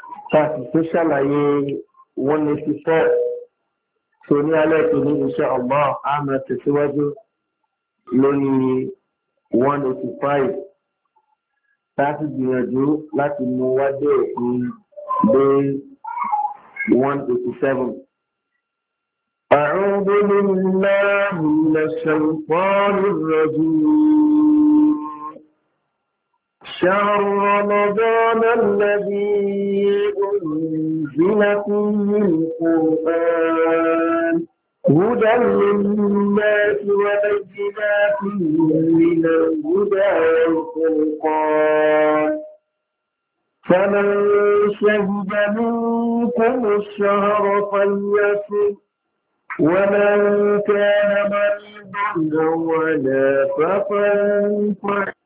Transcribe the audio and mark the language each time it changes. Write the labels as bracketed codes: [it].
[yo] tàbí tó ṣàlàyé 184 tó ní alẹ́ tó ní iṣẹ́ allah a máa tẹ̀síwájú lórí 185 láti gbìyànjú láti mú wá dé òfin dé 187. [ar] أعوذ بالله من الشيطان الرجيم. شهر رمضان الذي أنزل فيه القرآن هدى للناس وبينات من الهدى والفرقان فمن شهد منكم الشهر فليصم ومن كان مريضا ولا فليصم